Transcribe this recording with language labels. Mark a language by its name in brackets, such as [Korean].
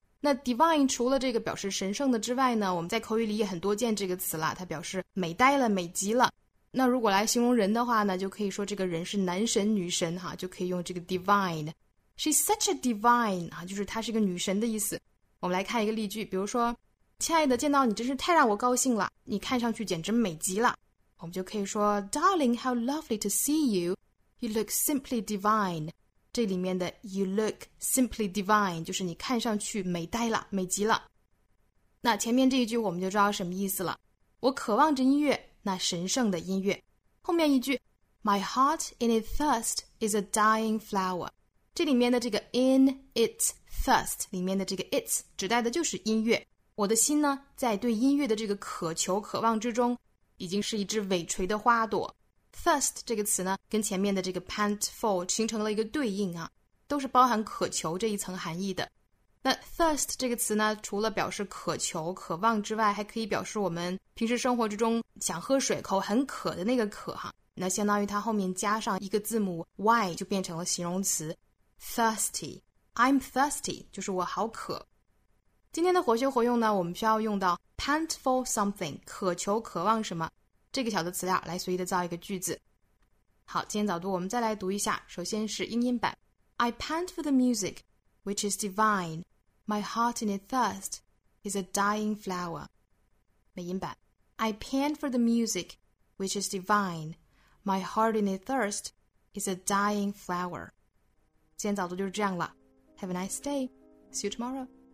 [Chinese] 那 divine 除了这个表示神圣的之外呢，我们在口语里也很多见这个词了，它表示美呆了，美极了。那如果来形容人的话呢，就可以说这个人是男神女神哈，就可以用这个 divine。 [English] She's such a divine [Chinese] 啊，就是她是一个女神的意思。我们来看一个例句，比如说亲爱的，见到你真是太让我高兴了，你看上去简直美极了。 [English] 我们就可以说 Darling, how lovely to see you. You look simply divine. [Chinese] 这里面的 [English] You look simply divine [Chinese] 就是你看上去美呆了，美极了。那前面这一句我们就知道什么意思了，我渴望着音乐，那神圣的音乐。后面一句 [English] My heart in its thirst is a dying flower. [Chinese] 这里面的这个 in its thirst 里面的这个 its 指代的就是音乐。我的心呢，在对音乐的这个渴求渴望之中已经是一只尾垂的花朵。 thirst 这个词呢，跟前面的这个 pant for 形成了一个对应啊，都是包含渴求这一层含义的。那 thirst 这个词呢，除了表示渴求渴望之外，还可以表示我们平时生活之中想喝水口很渴的那个渴哈。那相当于它后面加上一个字母 y 就变成了形容词 thirsty。 [English] I'm thirsty [Chinese] 就是我好渴。今天的活学活用呢，我们需要用到 pant for something， 渴求渴望什么这个小的词料来随意的造一个句子。好，今天早读我们再来读一下，首先是英音版。 [English] I pant for the music which is divine， My heart in its thirst is a dying flower。 [Chinese] 美音版 [English] I pant for the music which is divine， My heart in its thirst is a dying flower。 [Chinese] 今天早读就是这样了， [English] Have a nice day， See you tomorrow。